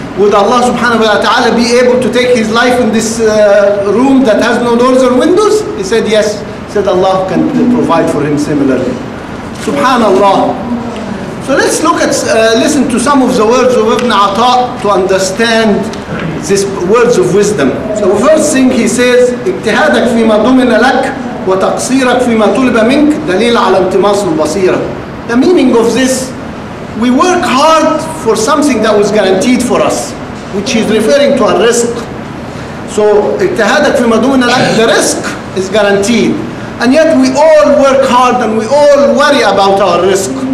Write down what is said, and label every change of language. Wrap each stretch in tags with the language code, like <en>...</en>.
<en>Would Allah subhanahu wa ta'ala be able to take his life in this room that has no doors or windows? He said yes. He said Allah can provide for him similarly. Subhanallah. So let's look at, listen to some of the words of Ibn Ataa to understand these words of wisdom. So the first thing he says,</en> <ar>اجتهادك فيما ضمن لك وتقصيرك فيما طلب منك دليل على التماس البصيرة.</ar> <en>The meaning of this, we work hard for something that was guaranteed for us, which he's referring to a risk. So</en> <ar>اجتهادك فيما ضمن لك,</ar> <en>the risk is guaranteed. And yet we all work hard and we all worry about our risk.</en>